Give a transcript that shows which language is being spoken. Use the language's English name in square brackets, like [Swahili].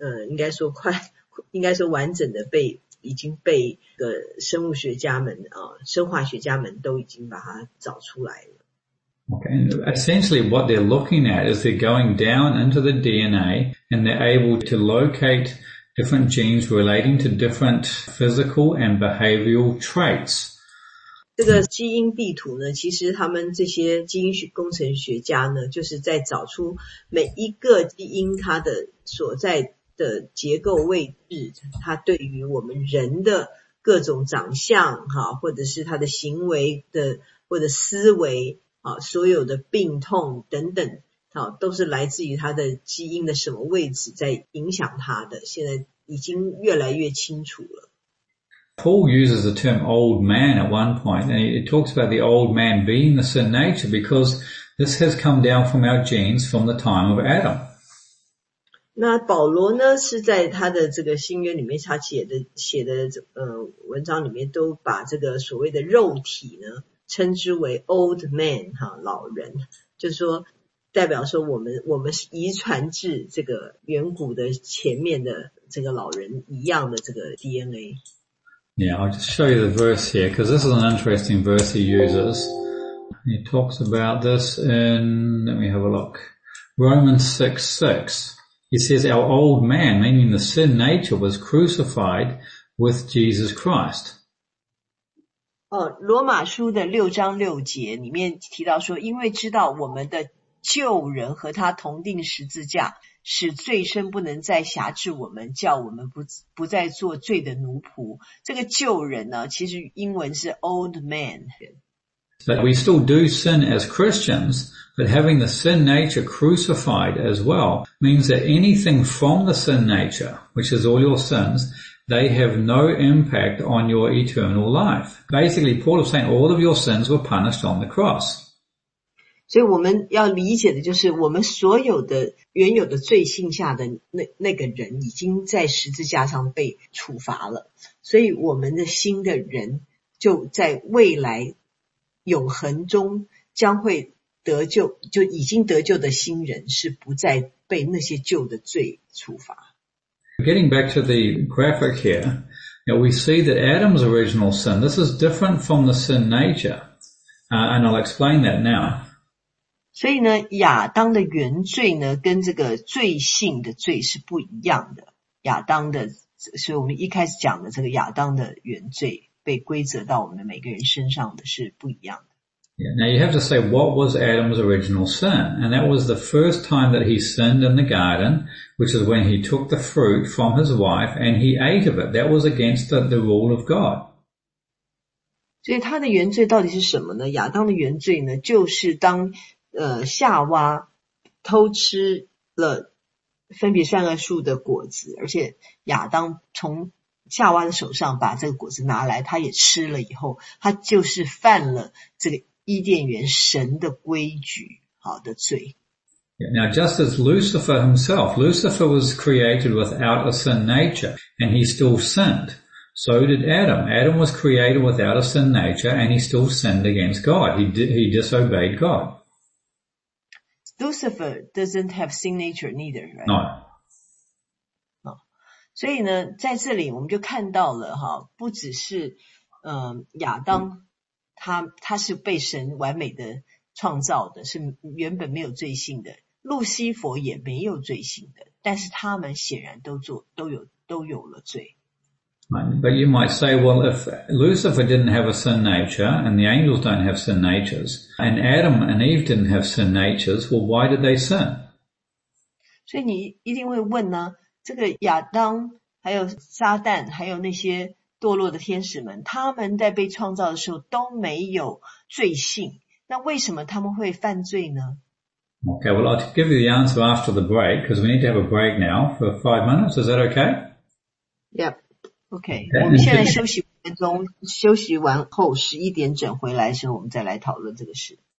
[Chinese] 应该说完整的被已经被个生物学家们生化学家们都已经把它找出来了。 [English] Okay, and essentially what they're looking at is they're going down into the DNA and they're able to locate different genes relating to different physical and behavioral traits. [Chinese] 这个基因地图呢，其实他们这些基因工程学家呢，就是在找出每一个基因它的所在的结构位置，它对于我们人的各种长相哈，或者是他的行为的或者思维啊，所有的病痛等等啊，都是来自于他的基因的什么位置在影响他的，现在已经越来越清楚了。 [English] Paul uses the term old man at one point, and it talks about the old man being the sin nature because this has come down from our genes from the time of Adam. [Chinese] 那保罗呢，是在他的这个新约里面，他写的文章里面都把这个所谓的肉体呢，称之为 old man, 哈，老人，就是说代表说我们是遗传至这个远古的前面的这个老人一样的这个 DNA。 [English] Yeah, I'll just show you the verse here, because this is an interesting verse he uses. He talks about this in, let me have a look, Romans 6:6. He says, our old man, meaning the sin nature, was crucified with Jesus Christ. [Chinese] 罗马书的六章六节里面提到说，因为知道我们的旧人和他同钉十字架，使罪身不能再辖制我们，叫我们不再做罪的奴仆。这个旧人呢，其实英文是 old man。 [English] But we still do sin as Christians, but having the sin nature crucified as well means that anything from the sin nature, which is all your sins, they have no impact on your eternal life. Basically, Paul is saying all of your sins were punished on the cross. [Chinese] 所以我们要理解的就是我们所有的原有的罪性下的那个人已经在十字架上被处罚了，所以我们的新的人就在未来永恒中将会得救，就已经得救的新人是不再被那些旧的罪处罚。 [English] Getting back to the graphic here, you know, we see that Adam's original sin, this is different from the sin nature, and I'll explain that now. [Chinese] 所以呢，亚当的原罪呢，跟这个罪性的罪是不一样的。亚当的，所以我们一开始讲的这个亚当的原罪被归责到我们每个人身上的是不一样的。 [English] Yeah, now you have to say what was Adam's original sin, and that was the first time that he sinned in the garden, which is when he took the fruit from his wife and he ate of it. That was against the rule of God. [Chinese] 所以他的原罪到底是什么呢？亚当的原罪呢，就是当夏娃偷吃了分别善恶树的果子，而且亚当从夏娃的手上把这个果子拿来，他也吃了以后，他就是犯了这个伊甸园神的规矩好的罪。 [English] Now just as Lucifer himself, Lucifer was created without a sin nature and he still sinned. So did Adam. Adam was created without a sin nature and he still sinned against God. He disobeyed God. Lucifer doesn't have sin nature neither, right? No. [Chinese] 所以呢，在这里我们就看到了哈，不只是亚当，他是被神完美的创造的，是原本没有罪性的，路西佛也没有罪性的，但是他们显然都有了罪。 [English] But you might say, well, if Lucifer didn't have a sin nature, and the angels don't have sin natures, and Adam and Eve didn't have sin natures, well, why did they sin? [Chinese] 所以你一定会问呢，这个亚当，还有撒旦，还有那些堕落的天使们，他们在被创造的时候都没有罪性，那为什么他们会犯罪呢？ [English] Okay, well, I'll give you the answer after the break, because we need to have a break now for 5 minutes. Is that okay? Yep. [Chinese] Okay, 我们现在休息五分钟，休息完后11点整回来的时候，我们再来讨论这个事。